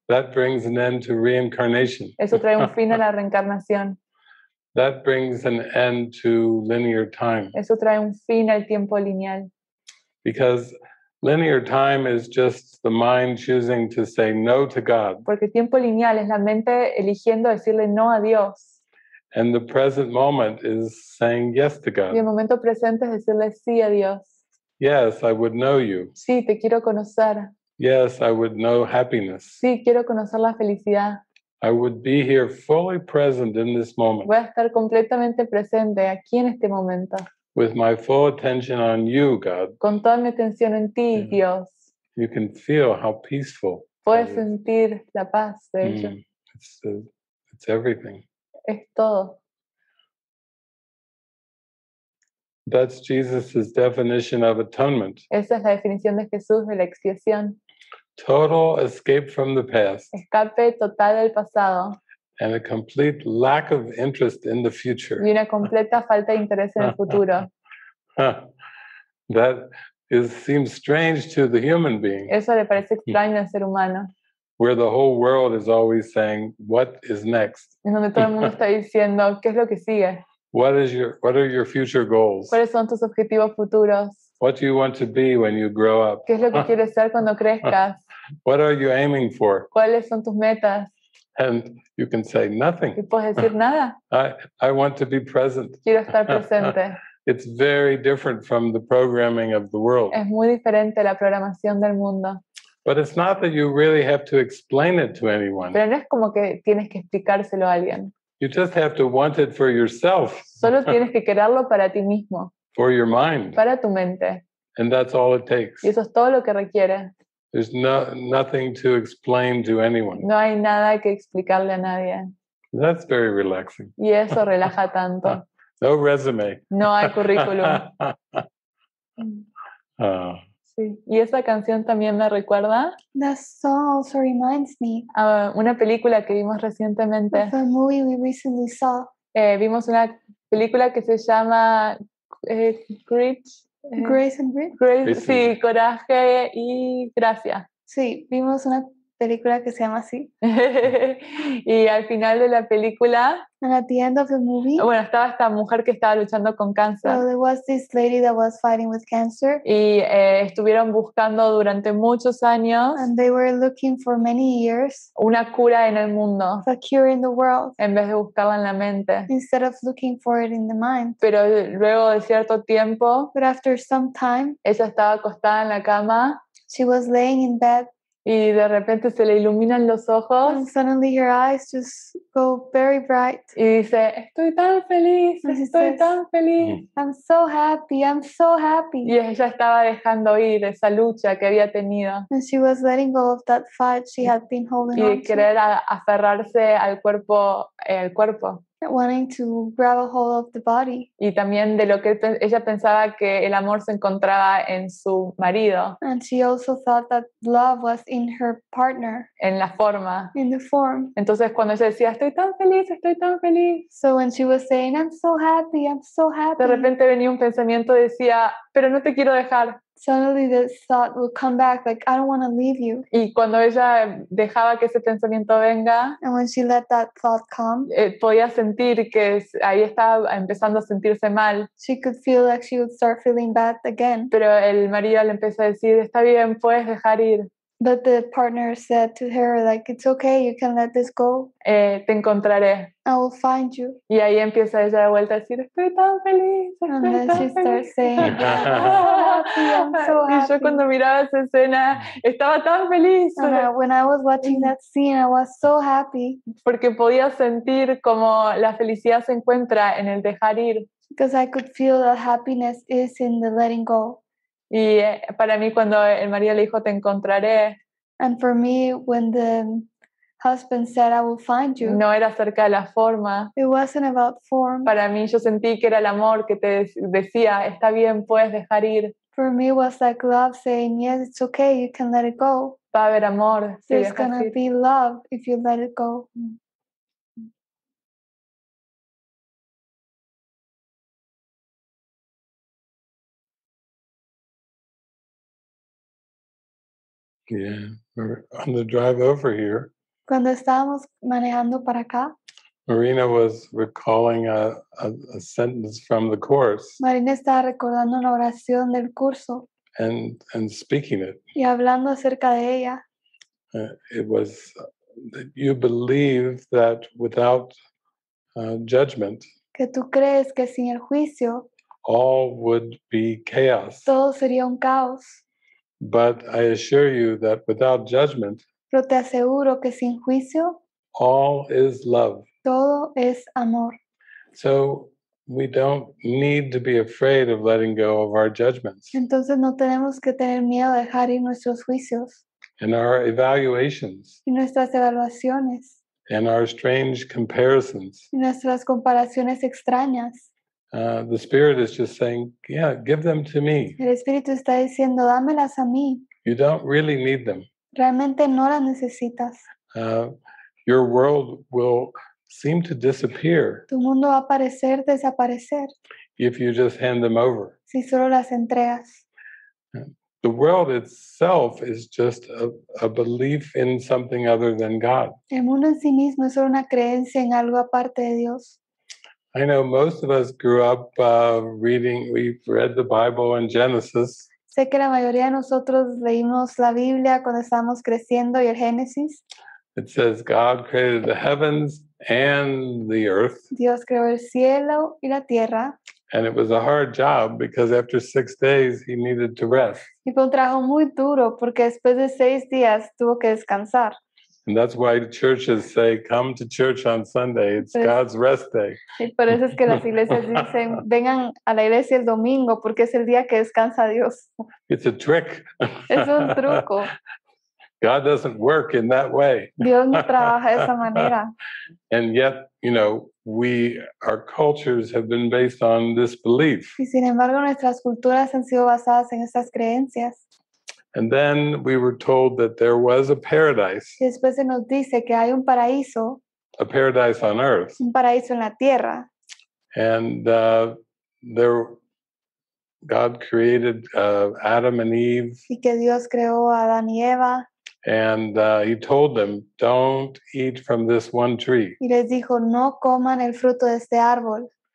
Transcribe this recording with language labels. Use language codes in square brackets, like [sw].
[en] That brings an end to reincarnation. [es] Eso trae un fin a la reencarnación. [en] That brings an end to linear time. [es] Eso trae un fin al tiempo lineal. [en] Because linear time is just the mind choosing to say no to God. [es] Porque el tiempo lineal es la mente eligiendo decirle no a Dios. [en] And the present moment is saying yes to God. [es] Y el momento presente es decirle sí a Dios. [en] Yes, I would know you. [es] Sí, te quiero conocer. [en] Yes, I would know happiness. [es] Sí, quiero conocer la felicidad. [en] I would be here fully present in this moment. [es] Voy a estar completamente presente aquí en este momento. [en] With my full attention on you, God. [es] Con toda mi atención en ti, [en] yeah. [es] Dios. [en] You can feel how peaceful. [es] Puedes sentir la paz de ello. [en] It's everything. [es] Es todo. [en] That's Jesus's definition of atonement. [es] Esa es la definición de Jesús de la expiación. [en] Total escape from the past. [es] Escape total del pasado. [en] And a complete lack of interest in the future. [es] Y una completa falta de interés en el futuro. [en] That is seems strange to the human being. [es] Eso le parece extraño al ser humano. [en] Where the whole world is always saying, "What is next?" [es] En donde todo el mundo está diciendo, ¿qué es lo que sigue? [en] What are your future goals? [es] ¿Cuáles son tus objetivos futuros? [en] What do you want to be when you grow up? [es] ¿Qué es lo que quieres ser cuando crezcas? [en] What are you aiming for? [es] ¿Cuáles son tus metas? [en] And you can say nothing. [es] ¿Y puedes decir nada? [en] I want to be present. [es] Quiero estar presente. [en] It's very different from the programming of the world. [es] Es muy diferente la programación del mundo. [en] But it's not that you really have to explain it to anyone. [es] Pero no es como que tienes que explicárselo a alguien. [en] You just have to want it for yourself. [es] Solo tienes que quererlo para ti mismo. [en] For your mind. [es] Para tu mente. [en] And that's all it takes. [es] Y eso es todo lo que requiere. [en] There's nothing to explain to anyone. [es] No hay nada que explicarle a nadie. [en] That's very relaxing. [es] Y eso relaja tanto. [en] No resume. [es] No hay currículum. Oh. Y esa canción también me recuerda. [en] That song also reminds me. [es] A una película que vimos recientemente. [en] The movie we recently saw. [es] Vimos una película que se llama Grace and Grit. Sí, Coraje y Gracia. Sí, vimos una película que se llama así. Y al final de la película. [en] And at the end of the movie. [es] Bueno, estaba esta mujer que estaba luchando con cáncer. [en] So there was this lady that was fighting with cancer. [es] Y estuvieron buscando durante muchos años. [en] And they were looking for many years. [es] Una cura en el mundo. [en] A cure in the world. [es] En vez de buscarla en la mente. [en] Instead of looking for it in the mind. [es] Pero luego de cierto tiempo. [en] But after some time. [es] Ella estaba acostada en la cama. [en] She was laying in bed. [es] Y de repente se le iluminan los ojos. [en] And suddenly her eyes just go very bright. [es] Y dice, estoy tan feliz, estoy tan feliz. [en] I'm so happy. [es] Y ella estaba dejando ir esa lucha que había tenido. [en] And she was letting go of that fight she had been holding on. [es] Y querer aferrarse al cuerpo, el cuerpo. [en] Wanting to grab a hold of the body. [es] Y también de lo que ella pensaba que el amor se encontraba en su marido. [en] And she also thought that love was in her partner. [es] En la forma. [en] In the form. [es] Entonces cuando ella decía estoy tan feliz. [en] So when she was saying I'm so happy. [es] De repente venía un pensamiento y decía, pero no te quiero dejar. [en] Suddenly this thought will come back, like, I don't want to leave you. [es] Y cuando ella dejaba que ese pensamiento venga, [en] and when she let that thought come, [es] podía sentir que ahí estaba empezando a sentirse mal. [en] She could feel like she would start feeling bad again. [es] Pero el marido le empezó a decir, está bien, puedes dejar ir. [en] But the partner said to her, like, it's okay, you can let this go. [es] Te encontraré. [en] I will find you. [es] Y ahí empieza ella de vuelta a decir, estoy tan feliz. [en] And then she starts saying, I'm so happy, I'm so happy. [es] Y yo cuando miraba esa escena, estaba tan feliz. [en] When I was watching that scene, I was so happy. [es] Porque podía sentir como la felicidad se encuentra en el dejar ir. [en] Because I could feel that happiness is in the letting go. [es] Y para mí cuando el marido le dijo te encontraré. [en] And for me when the husband said I will find you. [es] No era acerca de la forma. [en] It wasn't about form. [es] Para mí yo sentí que era el amor que te decía, está bien, puedes dejar ir. [en] For me it was like love saying yes, it's okay, you can let it go. [es] Va a haber amor si dejas ir. [en] There's gonna be love if you let it go. Yeah, we're on the drive over here. [es] Cuando estábamos manejando para acá, [en] Marina was recalling a sentence from the course. [es] Marina estaba recordando una oración del curso. [en] And speaking it. [es] Y hablando acerca de ella. [en] It was that you believe that without judgment. [es] Que tú crees que sin el juicio. [en] All would be chaos. [es] Todo sería un caos. [en] But I assure you that without judgment, [es] pero te aseguro que sin juicio, [en] all is love. [es] Todo es amor. [en] So we don't need to be afraid of letting go of our judgments. [es] Entonces no tenemos que tener miedo de dejar ir nuestros juicios. [en] And our evaluations. [es] Y nuestras evaluaciones. [en] And our strange comparisons. [es] Y nuestras comparaciones extrañas. [en] The Spirit is just saying, yeah, give them to me. [es] El Espíritu está diciendo, dámelas a mí. [en] You don't really need them. [es] Realmente no las necesitas. [en] Your world will seem to disappear. [es] Tu mundo va a parecer desaparecer. [en] If you just hand them over. [es] Si solo las entregas. [en] The world itself is just a belief in something other than God. [es] El mundo en sí mismo es solo una creencia en algo aparte de Dios. [en] I know most of us grew up reading, we've read the Bible in Genesis. [es] Sé que la mayoría de nosotros leímos la Biblia cuando estábamos creciendo y el Génesis. [en] It says God created the heavens and the earth. [es] Dios creó el cielo y la tierra. [en] And it was a hard job because after 6 days he needed to rest. [es] Y fue un trabajo muy duro porque después de 6 días tuvo que descansar. [en] And that's why churches say, come to church on Sunday. It's pues, God's rest day. [es] Por eso es que las iglesias dicen, vengan a la iglesia el domingo, porque es el día que descansa Dios. [en] It's a trick. [es] Es un truco. [en] God doesn't work in that way. [es] Dios no trabaja de esa manera. [en] And yet, you know, we, our cultures have been based on this belief. [es] Y sin embargo, nuestras culturas han sido basadas en estas creencias. [en] And then we were told that there was a paradise. [es] Y después se nos dice que hay un paraíso. [en] A paradise on earth. [es] Un paraíso en la tierra. [en] And there, God created Adam and Eve. [es] Y que Dios creó a Adán y Eva. [en] And he told them, "Don't eat from this one tree." [es] Y les dijo, no coman el fruto de este árbol.